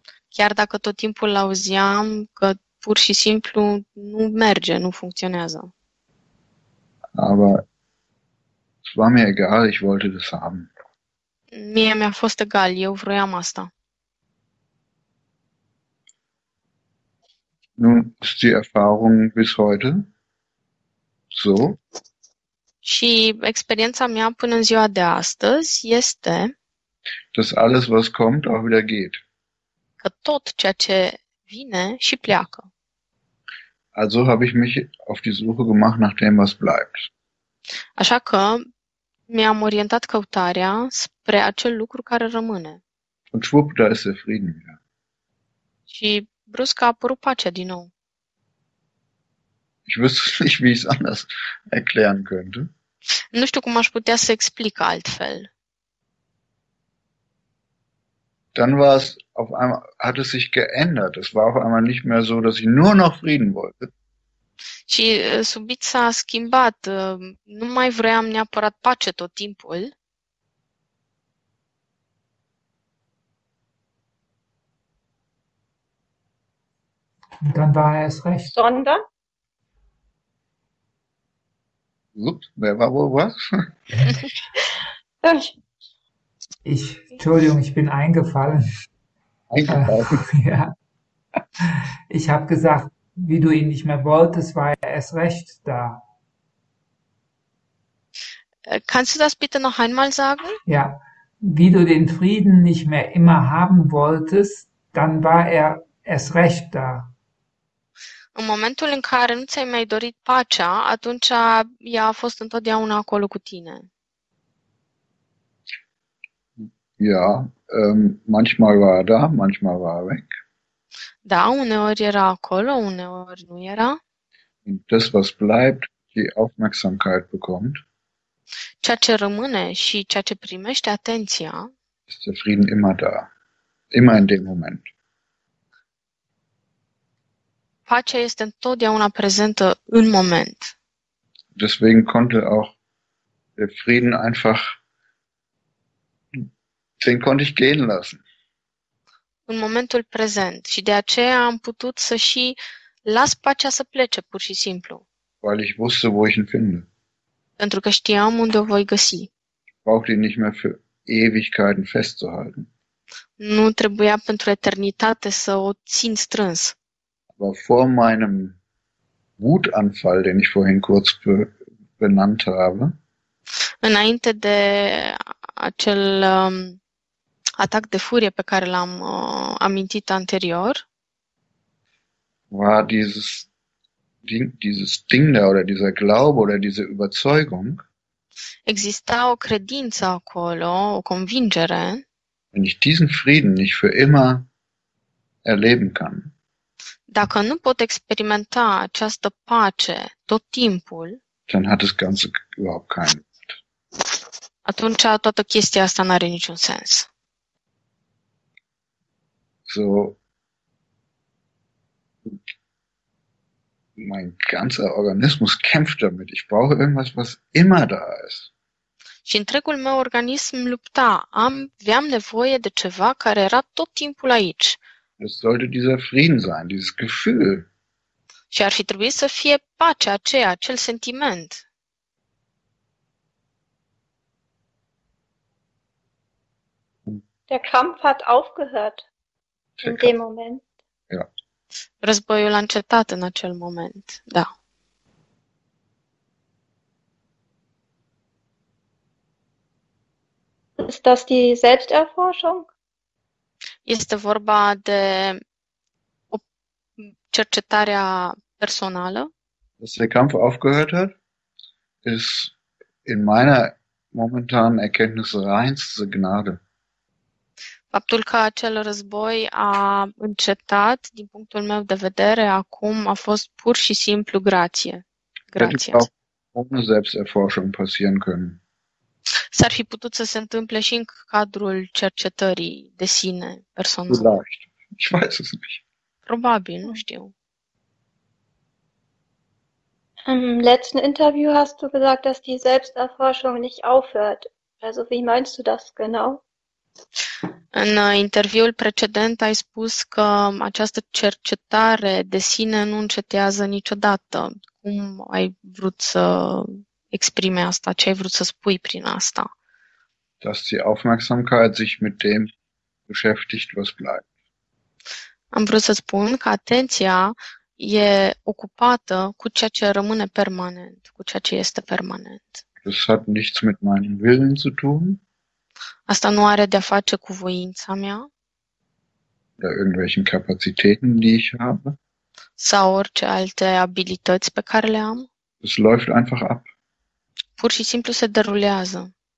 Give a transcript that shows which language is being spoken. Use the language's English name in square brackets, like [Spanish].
[Romanian] Chiar dacă tot timpul auzeam că pur și simplu nu merge, nu funcționează. [German] Aber es war mir egal, ich wollte das haben. [Romanian] Mie mi-a fost egal, eu vroiam asta. [German] Nun ist die Erfahrung bis heute so. [Romanian] Și experiența mea până în ziua de astăzi este [German] Dass alles, was kommt, auch wieder geht. [Romanian] că tot ceea ce vine și pleacă. [German] Also habe ich mich auf die Suche gemacht nach dem, was bleibt. [Romanian] Așa că mi-am orientat căutarea spre acel lucru care rămâne. [German] Und schwupp, da ist der Frieden wieder. [Romanian] Și brusc a apărut pacea din nou. [German] Ich wüsste nicht, wie ich es anders erklären könnte. [Romanian] Nu știu cum aș putea să explic altfel. [German] Dann war es auf einmal, hat es sich geändert. Es war auf einmal nicht mehr so, dass ich nur noch Frieden wollte. [Romanian] Și subit s-a schimbat. Nu mai vroiam neapărat pace tot timpul. [German] Und dann war er es recht. Sondern? Ups, wer war wohl was? Entschuldigung, ich bin eingefallen. Eingefallen. Ja. Ich habe gesagt, wie du ihn nicht mehr wolltest, war er erst recht da. Kannst du das bitte noch einmal sagen? Ja, wie du den Frieden nicht mehr immer haben wolltest, dann war er erst recht da. [Romanian] În momentul în care nu ți-ai mai dorit pacea, atunci ea a fost întotdeauna acolo cu tine. [German] Ja, manchmal war er da, manchmal war er weg. [Romanian] Da, uneori era acolo, uneori nu era. [German] Und das, was bleibt, die Aufmerksamkeit bekommt, [Romanian] Ceea ce rămâne și ceea ce primește atenția, [German] ist der Frieden immer da, immer in dem Moment. [Romanian] pacea este întotdeauna prezentă în moment. [German] Deswegen konnte auch der Frieden einfach. Den konnte ich gehen lassen. [Romanian] În momentul prezent. Și de aceea am putut să și las pacea să plece, pur și simplu. [German] Weil ich wusste, wo ich ihn finde. [Romanian] Pentru că știam unde o voi găsi. [German] Brauchte ihn nicht mehr für Ewigkeiten festzuhalten. [Romanian] Nu trebuia pentru eternitate să o țin strâns. [German] Aber vor meinem Wutanfall, den ich vorhin kurz benannt habe, [Romanian] Înainte de acel atac de furie pe care l-am amintit anterior, [German] war dieses Ding da oder dieser Glaube oder diese Überzeugung, [Romanian] exista o credință acolo, o convingere. [German] wenn ich diesen Frieden nicht für immer erleben kann, [Romanian] Dacă nu pot experimenta această pace tot timpul, [German] dann hat das Ganze überhaupt keinen. [Romanian] atunci toată chestia asta n-are niciun sens. [German] So. Mein ganzer Organismus kämpft damit. Ich brauche irgendwas, was immer da ist. [Romanian] Și întregul meu organism lupta. Aveam nevoie de ceva care era tot timpul aici. [German] Es sollte dieser Frieden sein, dieses Gefühl. [Romanian] Și ar fi trebuit să fie pacea aceea, acel sentiment. [German] Der Kampf hat aufgehört Der in Kampf. dem Moment. Ja. [Romanian] Războiul a încetat în acel moment, da. [German] Ist das die Selbsterforschung? [Romanian] Este vorba de cercetarea personală? [German] Dass der Kampf aufgehört hat, ist in meiner momentanen Erkenntnis reinste Gnade. [Romanian] Faptul că acel război a încetat, din punctul meu de vedere, acum a fost pur și simplu grație. [German] Hätte [Romanian] Grație. [German] auch ohne Selbsterforschung passieren können. [Romanian] S-ar fi putut să se întâmple și în cadrul cercetării de sine, personal. [German] Vielleicht. Ich weiß es nicht. [Romanian] Probabil, nu știu. [German] Im letzten Interview hast du gesagt, dass die Selbsterforschung nicht aufhört. Also, wie meinst du das genau? [Romanian] În interviul precedent ai spus că această cercetare de sine nu încetează niciodată. Cum ai vrut să exprime asta? Ce ai vrut să spui prin asta? [German] Dass die Aufmerksamkeit sich mit dem beschäftigt, was bleibt. [Romanian] Am vrut să spun că atenția e ocupată cu ceea ce rămâne permanent, cu ceea ce este permanent. [German] Das hat nichts mit meinem Willen zu tun. [Romanian] Asta nu are de-a face cu voința mea [German] Oder irgendwelchen Kapazitäten, die ich habe. [Romanian] sau orice alte abilități pe care le am. [German] Es läuft einfach ab. [Romanian] Pur și simplu se derulează.